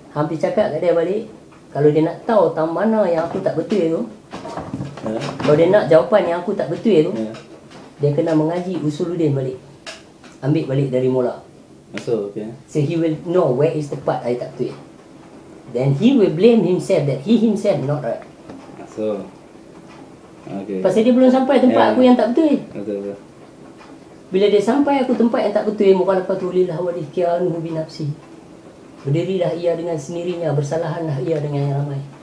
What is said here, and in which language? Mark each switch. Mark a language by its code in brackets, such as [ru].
[ms] Hampir cakap kat dia balik, kalau dia nak tahu tentang mana yang aku tak betul tu, kalau dia nak jawapan yang aku tak betul tu, dia kena mengaji Usuluddin balik, ambil balik dari mula. [en] So he will know where is the part I [ms] tak betul. [en] Then he will blame himself that he himself not right. So [ms] pasal dia belum sampai tempat aku yang tak betul. Bila dia sampai aku tempat yang tak betul, muka lepas tu lillah wadihkianuhu binapsi, berdirilah ia dengan sendirinya, bersalahanlah ia dengan yang ramai.